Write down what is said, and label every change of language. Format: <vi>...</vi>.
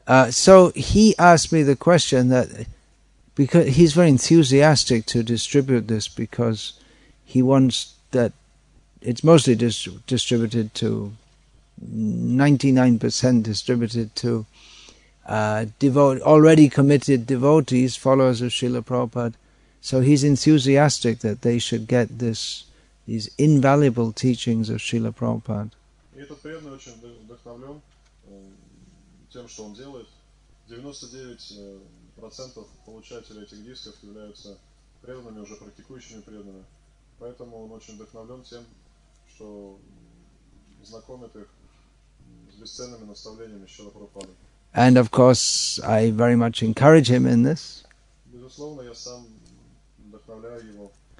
<en>So he asked me the question that because he's very enthusiastic to distribute this because he wants that it's mostly distributed to 99% distributed to already committed devotees, followers of Srila Prabhupada. So he's enthusiastic that they should get these invaluable teachings of Srila Prabhupada.</en> <ru>И этот преданный очень вдохновлен тем, что он делает. 99% получателей этих дисков являются преданными, уже практикующими преданными. Поэтому он очень вдохновлен тем, что знакомит их с бесценными наставлениями Шрила Прабхупады.</ru> <en>And of course, I very much encourage him in this.</en> <ru>Безусловно, я сам вдохновляю его.</ru>